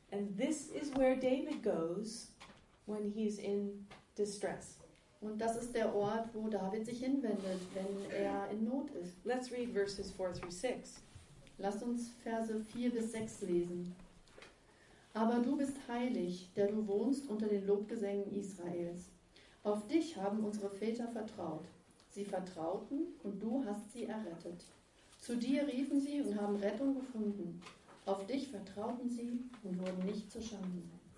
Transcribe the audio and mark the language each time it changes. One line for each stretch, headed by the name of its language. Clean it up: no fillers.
English: And this is where David goes when he's in distress.
German: Und das ist der Ort, wo David sich hinwendet, wenn er in Not ist.
English: Let's read verses 4 through 6.
German: Lasst uns Verse 4 bis 6 lesen. Aber du bist heilig, der du wohnst unter den Lobgesängen Israels. Auf dich haben unsere Väter vertraut. Sie vertrauten und du hast sie errettet. Zu dir riefen sie und haben Rettung gefunden. Auf dich vertrauten sie und wurden nicht zu Schanden.